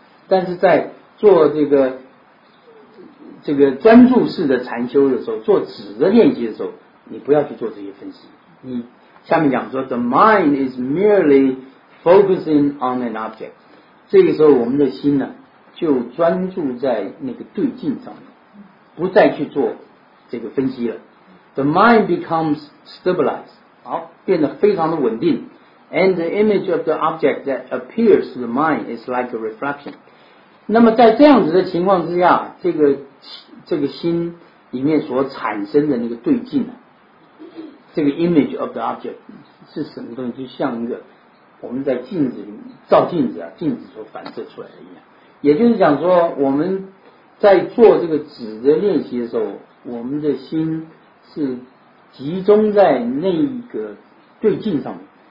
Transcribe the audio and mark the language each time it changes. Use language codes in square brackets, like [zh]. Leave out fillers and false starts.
[zh] 但是在做这个专注式的禅修的时候，做止的练习的时候，你不要去做这些分析，你。下面讲说 [en] ，the mind is merely focusing on an object。 [zh] 这个时候，我们的心呢，就专注在那个对境上面，不再去做这个分析了。 [en] The mind becomes stabilized， [zh] 好，变得非常的稳定。 [en] And the image of the object that appears to the mind is like a reflection。 [zh] 那么在这样子的情况之下，这个心里面所产生的那个对境呢？这个 [en] image of the object [zh] 是什么东西？就像一个我们在镜子里面照镜子啊，镜子所反射出来的一样。也就是讲说，我们在做这个止的练习的时候，我们的心是集中在那个对镜上面。